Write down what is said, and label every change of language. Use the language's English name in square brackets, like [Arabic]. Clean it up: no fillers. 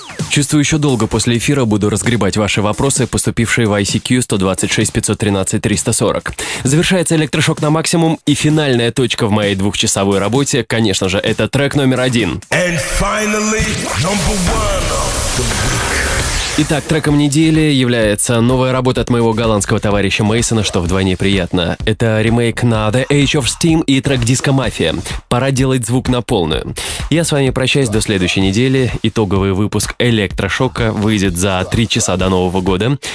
[Russian] Чувствую, еще долго после эфира буду разгребать ваши вопросы, поступившие в ICQ 126-513-340. Завершается электрошок на максимум, и финальная точка в моей двухчасовой работе, конечно же, это трек номер один. [English] And finally, number one of the week. [Russian] Итак, треком недели является новая работа от моего голландского товарища Мейсона, что вдвойне приятно. Это ремейк на The Age of Steam и трек «Диско Мафия». Пора делать звук на полную. Я с вами прощаюсь до следующей недели. Итоговый выпуск «Электрошока» выйдет за 3 часа до Нового года.